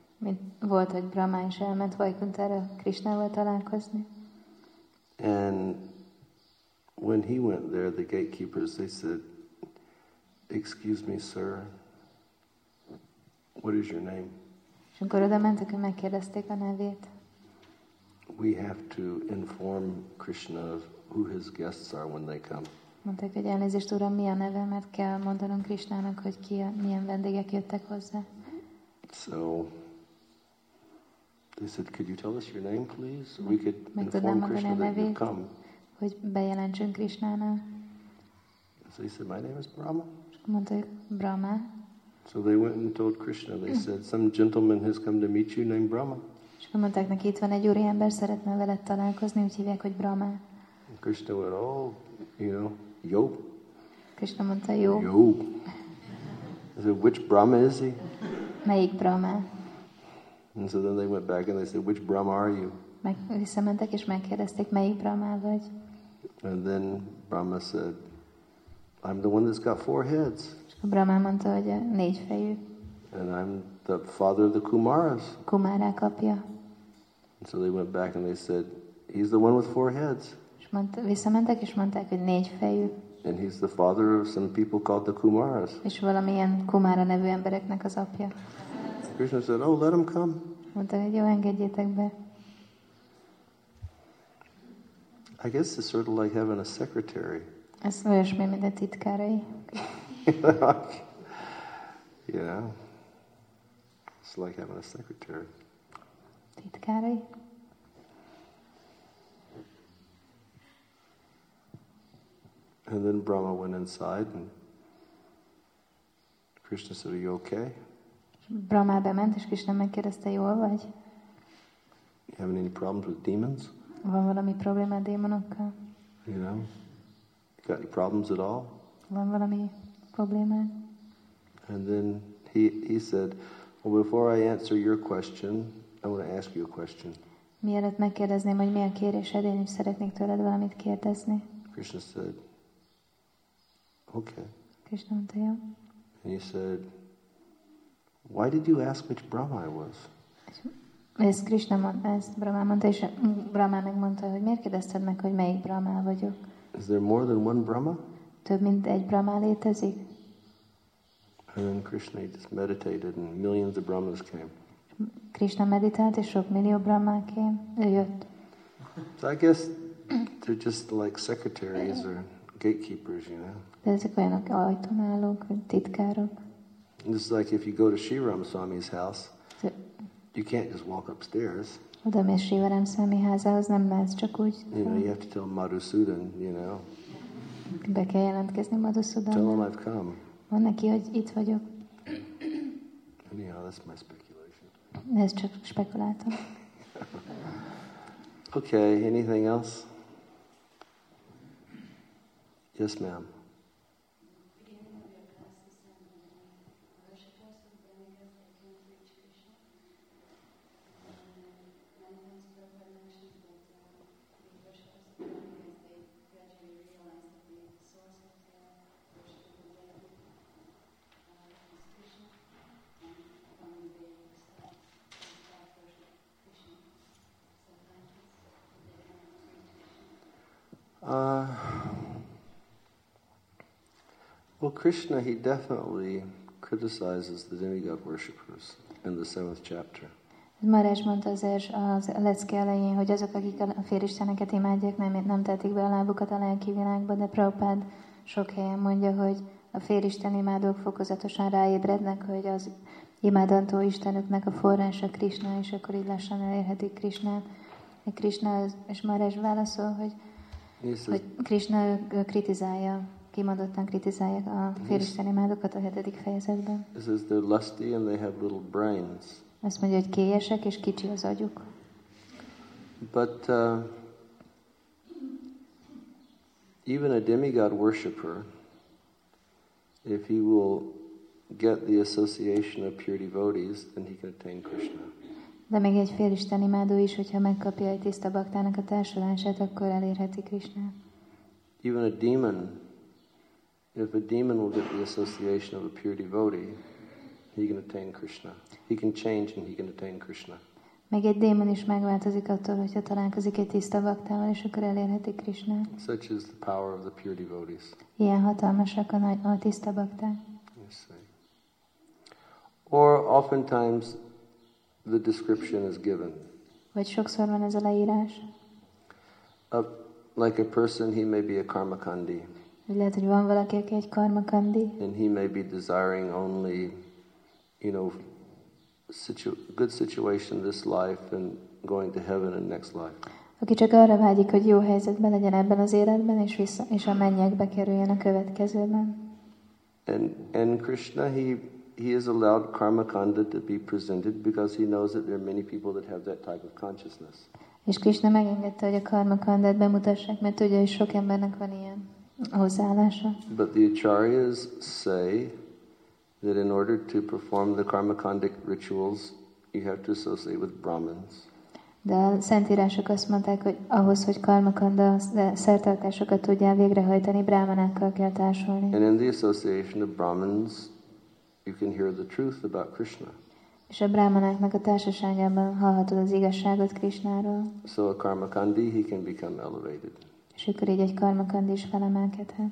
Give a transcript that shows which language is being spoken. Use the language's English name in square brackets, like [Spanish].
[Hungarian] Mint volt, hogy Brahma is elment Vaikunthára Krishnával találkozni. [English] And when he went there, the gatekeepers, they said, "Excuse me, sir, what is your name?" [Hungarian] És akkor oda mentek, hogy megkérdezték a nevét. [English] We have to inform Krishna of who his guests are when they come. [Hungarian] Mondták, hogy elnézést, uram, mi a neve, mert kell mondanom Krisnának, hogy ki a, milyen vendégek jöttek hozzá. [English] So, they said, could you tell us your name, please? We could inform Krishna that you come. [Hungarian] Hogy bejelentsünk Krisnának. [English] So he said, my name is Brahma. [Hungarian] Mondták, Brahma. [English] So they went and told Krishna, they said, some gentleman has come to meet you named Brahma. [Hungarian] És akkor mondták neki, itt van egy úriember, szeretne veled találkozni, úgy hívják, hogy Brahma. [English] And Krishna went, oh, you know, yo. [Hungarian] Krishna mondta, yo. [English] Yo. So which Brahma is he? [Hungarian] Melyik Brahma? [English] And so then they went back and they said, which Brahma are you? [Hungarian] Visszamentek és megkérdezték, melyik Brahma vagy? [English] And then Brahma said, I'm the one that's got four heads. [Hungarian] Brahma mondta, hogy a négy fejű. [English] And I'm the father of the Kumaras. [Hungarian] Kumarák apja. [English] And so they went back and they said, he's the one with four heads. [Hungarian] Visszamentek és mondták, hogy négy fejű. [English] And he's the father of some people called the Kumaras. [Hungarian] És valamilyen Kumara nevű embereknek az apja. [English] Krishna said, "Oh, let him come." [Hungarian] Mondta, hogy jó, engedjétek be. [English] I guess it's sort of like having a secretary. [Hungarian] Ez olyasmi, mint a titkárai. [English] Yeah, it's like having a secretary. [Hungarian] Titkárai. [English] And then Brahma went inside, and Krishna said, "Are you okay?" [Hungarian] Brahma bement, és Krishna megkérdezte, jól vagy? [English] You having any problems with demons? [Hungarian] Van valami probléma a démonokkal? [English] You know, you got any problems at all? [Hungarian] Van valami probléma? [English] And then he said, "Well, before I answer your question, I want to ask you a question." [Hungarian] Mielőtt megkérdezném, hogy mi a kérdésed, én is szeretnék tőled valamit kérdezni. [English] Krishna said, "Okay." [Hungarian] Krishna mondta, jó. [English] And he said, "Why did you ask which Brahma I was?" [Hungarian] Ez Krishna mondta, ezt Brahma mondta, és Brahma megmondta, hogy miért kérdezted meg, hogy melyik Brahma vagyok. [English] Is there more than one Brahma? [Hungarian] Több mint egy Brahma létezik. [English] And then Krishna just meditated and millions of Brahmas came. [Hungarian] Krishna meditált, és sok millió Brahma [English] came, [Hungarian] jött. [English] So I guess they're just like secretaries or gatekeepers, you know. [Hungarian] De ezek olyanok, ajtónálók, titkárok. [English] This is like if you go to Sri Ramaswamy's house, you can't just walk upstairs. [Hungarian] Oda mész Sri Ramaswamy házához, nem mehetsz csak úgy. [English] You know, you have to tell Madhusudan, you know. [Hungarian] Be kell jelentkezni Madhusudan. [English] Tell him I've come. [Hungarian] Mondd neki, hogy itt vagyok. [English] Anyhow, that's my speculation. Ez csak spekuláltam. Okay, anything else? Yes, ma'am. Well, Krishna, he definitely criticizes the demigod worshippers in the seventh chapter. [Hungarian] Maharaj mondta az lecke elején, hogy azok, akik a félisteneket imádják, nem tették be a lábukat a lelki világba, de Prabhupád sok helyen mondja, hogy a félisten imádók fokozatosan ráébrednek, hogy az imádantó istenüknek a forrása Krishna, és akkor így lassan elérhetik Krishnát. Krishna, és Maharaj válaszol, hogy Krishna kritizálja, kimondottan kritizálja a félisten imádókat a hetedik fejezetben. [English] This is they're lusty and they have little brains. [Hungarian] Azt mondja, hogy kélyesek és kicsi az agyuk. [English] But even a demigod worshipper, if he will get the association of pure devotees, then he can attain Krishna. [Hungarian] De még egy félisten imádó is, hogyha megkapja egy tiszta baktának a társulását, akkor elérheti Krishna. [English] Even a demon, if a demon will get the association of a pure devotee, he can attain Krishna. He can change and he can attain Krishna. [Hungarian] Még egy démon is megváltozik attól, hogyha találkozik egy tiszta baktával, és akkor elérheti Krishna. [English] Such is the power of the pure devotees. [Hungarian] Ilyen hatalmasak a nagy, a tiszta bakták. [English] Yes, or oftentimes the description is given. [Hungarian] Vagy sokszor van ez a leírás. [English] Like a person, he may be a karmakandi. [Hungarian] Lehet, hogy van valaki, aki egy karmakandi. [English] And he may be desiring only, you know, good situation this life and going to heaven in next life. [Hungarian] Aki csak arra vágyik, hogy jó helyzetben legyen ebben az életben, és vissza, és a mennyekbe kerüljön a következőben. [English] And Krishna, he has allowed karmakanda to be presented because he knows that there are many people that have that type of consciousness. [Hungarian] És Krishna megengedte, hogy a karmakandát bemutassák, mert tudja, hogy sok embernek van ilyen hozzáállása. [English] But the acharyas say that in order to perform the karmakandic rituals, you have to associate with Brahmins. [Hungarian] De a szentírások azt mondták, hogy ahhoz, hogy karmakanda szertartásokat tudjál végrehajtani, brahmanákkal kell társulni. [English] And in the association of Brahmins, you can hear the truth about Krishna. [Hungarian] És a brahmanáknak a társaságában hallhatod az igazságot Krishnáról. [English] So a karmakandi, he can become elevated. [Hungarian] És akkor így egy karmakandi is felemelkedhet.